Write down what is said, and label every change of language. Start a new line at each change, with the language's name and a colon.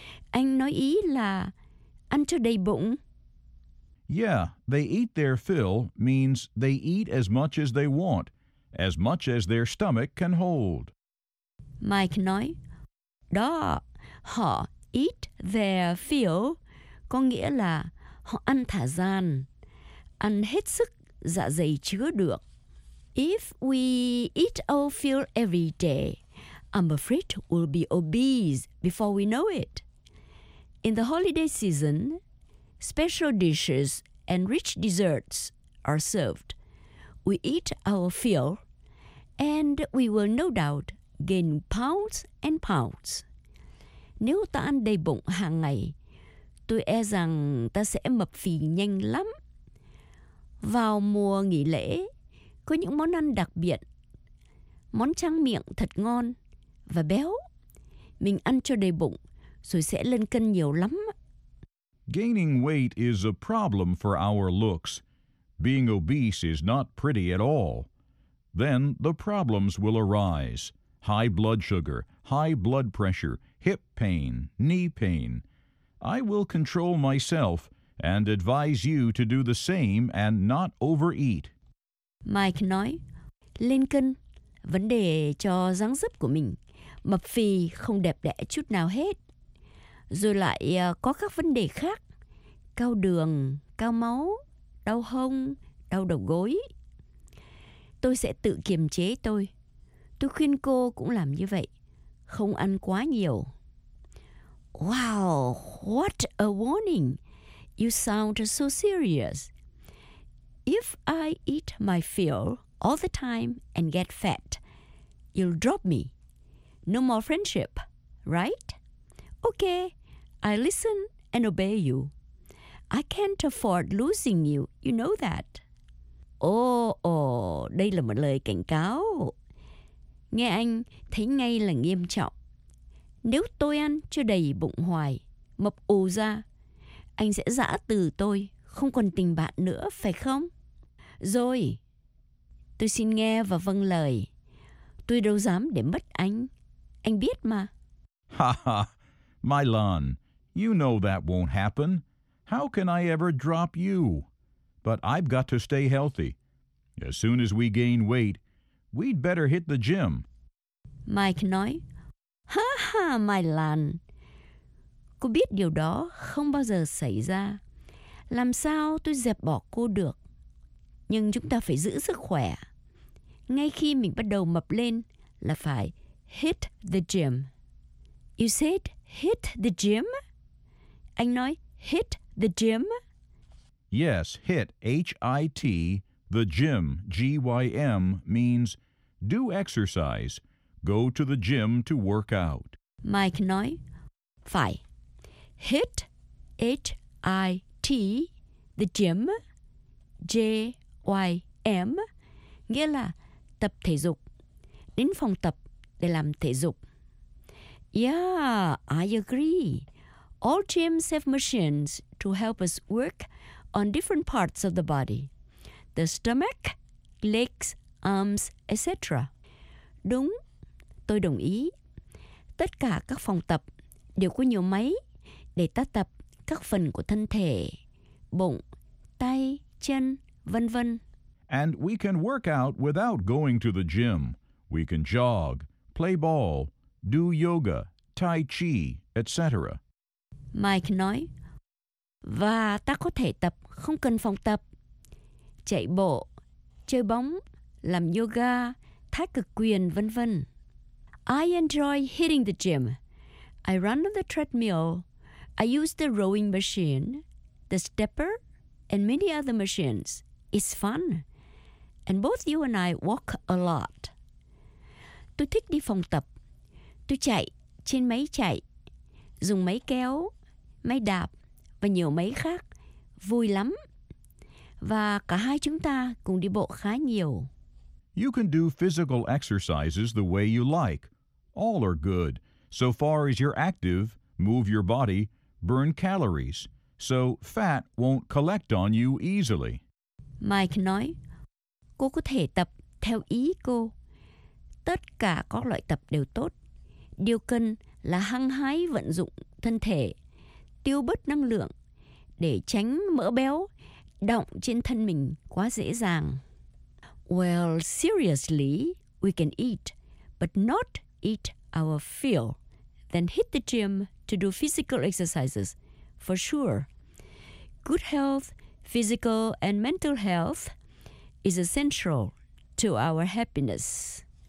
Vietnamese: Anh nói ý là ăn cho đầy bụng.
English: Yeah, they eat their fill means they eat as much as they want, as much as their stomach can hold.
Vietnamese: Mike nói, đó, họ
English: eat their fill,
Vietnamese: có nghĩa là họ ăn thả gian, ăn hết sức dạ dày chứa được.
English: If we eat our fill every day, I'm afraid we'll be obese before we know it. In the holiday season, special dishes and rich desserts are served. We eat our fill, and we will no doubt gain pounds and pounds.
Vietnamese: Nếu ta ăn đầy bụng hàng ngày, tôi e rằng ta sẽ mập phì nhanh lắm. Vào mùa nghỉ lễ, có những món ăn đặc biệt, món tráng miệng thật ngon và béo. Mình ăn cho đầy bụng, rồi sẽ lên cân nhiều lắm.
English: Gaining weight is a problem for our looks. Being obese is not pretty at all. Then the problems will arise. High blood sugar, high blood pressure, hip pain, knee pain. I will control myself and advise you to do the same and not overeat.
Vietnamese: Mike nói, lên cân, vấn đề cho dáng dấp của mình. Mập phì không đẹp đẽ chút nào hết. Rồi lại có các vấn đề khác, cao đường, cao máu, đau hông, đau đầu gối. Tôi sẽ tự kiềm chế tôi. Tôi khuyên cô cũng làm như vậy, không ăn quá nhiều.
English: Wow, what a warning. You sound so serious. If I eat my fill all the time and get fat, you'll drop me. No more friendship, right? Okay, I listen and obey you. I can't afford losing you, you know that.
Vietnamese: Oh, đây là một lời cảnh cáo. Nghe anh thấy ngay là nghiêm trọng. Nếu tôi ăn chưa đầy bụng hoài, mập ù ra, anh sẽ giã từ tôi, không còn tình bạn nữa, phải không? Rồi, tôi xin nghe và vâng lời. Tôi đâu dám để mất anh. Anh biết mà.
English: Ha ha, Mylon, you know that won't happen. How can I ever drop you? But I've got to stay healthy. As soon as we gain weight, we'd better hit the gym.
Vietnamese: Mike nói, ha ha, Mylon. Cô biết điều đó không bao giờ xảy ra. Làm sao tôi dẹp bỏ cô được? Nhưng chúng ta phải giữ sức khỏe. Ngay khi mình bắt đầu mập lên là phải
English: hit the gym. You said hit the gym?
Vietnamese: Anh nói
English: hit the gym? Yes, hit, H-I-T, the gym, G-Y-M, means do exercise. Go to the gym to work out.
Vietnamese: Mike nói, phải.
English: Hit, H-I-T, the gym, J-Y-M,
Vietnamese: nghĩa là tập thể dục, đến phòng tập để làm thể dục.
English: Yeah, I agree. All gyms have machines to help us work on different parts of the body. The stomach, legs, arms, etc.
Vietnamese: Đúng, tôi đồng ý. Tất cả các phòng tập đều có nhiều máy để ta tập các phần của thân thể, bụng, tay, chân, vân vân.
English: And we can work out without going to the gym. We can jog, play ball, do yoga, tai chi, etc.
Vietnamese: Mike nói, và ta có thể tập không cần phòng tập. Chạy bộ, chơi bóng, làm yoga, thái cực quyền, vân vân.
English: I enjoy hitting the gym. I run on the treadmill. I use the rowing machine, the stepper, and many other machines. It's fun. And both you and I walk a lot.
Vietnamese: Tôi thích đi phòng tập. Tôi chạy trên máy chạy, dùng máy kéo, máy đạp và nhiều máy khác. Vui lắm. Và cả hai chúng ta cùng đi bộ khá nhiều.
English: You can do physical exercises the way you like. All are good. So far as you're active, move your body, burn calories. So fat won't collect on you easily.
Vietnamese: Mike nói, cô có thể tập theo ý cô. Tất cả các loại tập đều tốt. Điều cần là hăng hái vận dụng thân thể, tiêu bớt năng lượng để tránh mỡ béo đọng trên thân mình quá dễ dàng.
English: Well, seriously, we can eat, but not eat our fill, then hit the gym to do physical exercises, for sure. Good health, physical and mental health is essential to our happiness.